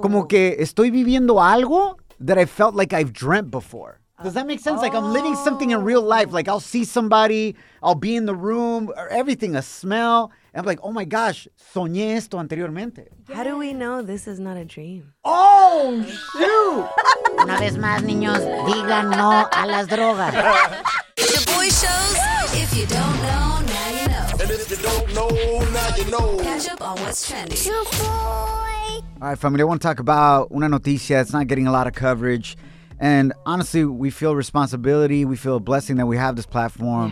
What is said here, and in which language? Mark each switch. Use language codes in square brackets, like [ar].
[es] Como que estoy viviendo algo [en] that I felt like I've dreamt before. Does that make sense? Like, I'm living something in real life. Like, I'll see somebody, I'll be in the room, or everything, a smell. And I'm like, oh my gosh, [es] soñé esto anteriormente. [en] How do we know this is not a dream? Oh, shoot! [es] Una vez más, niños, digan no a las drogas. [en] The boy shows, if you don't know, now you know. And if you don't know, now you know. Catch up on what's trending. Your boy. All right, family, I want to talk about [es] una noticia. [en] It's not getting a lot of coverage. And honestly, we feel responsibility. We feel a blessing that we have this platform.